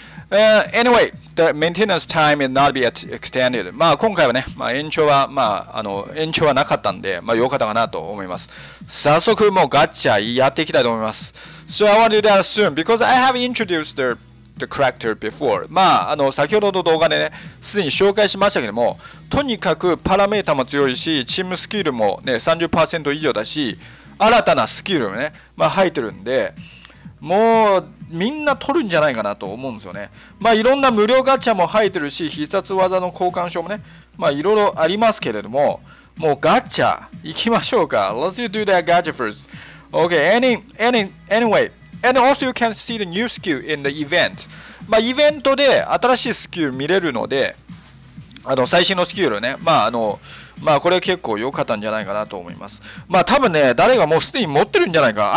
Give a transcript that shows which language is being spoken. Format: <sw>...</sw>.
<en>Anyway, the maintenance time will not be extended.</en> <ja>まあ今回はね、まあ、延長はなかったんで、まあ良かったかなと思います。早速もうガチャやっていきたいと思います。</ja> <en>So I want to do that soon because I have introduced the character before.</en> <ja>まあ、先ほどの動画でね、すでに紹介しましたけども、とにかくパラメータも強いし、チームスキルもね、30% 以上だし、新たなスキルもね、まあ、入ってるんで、もう、みんな取るんじゃないかなと思うんですよね。まあ、いろんな無料ガチャも入ってるし、必殺技の交換書もね、まあ、いろいろありますけれども、もうガチャ、行きましょうか。</ja> <en>Let's do that gacha first. Okay, anyway. And also you can see the new skill in the event.</en> <ja>まあ、イベントで新しいスキル見れるので、最新のスキルね。まあ、これ結構良かったんじゃないかなと思います。まあ、多分ね、誰がもうすでに持ってるんじゃないか。</ja>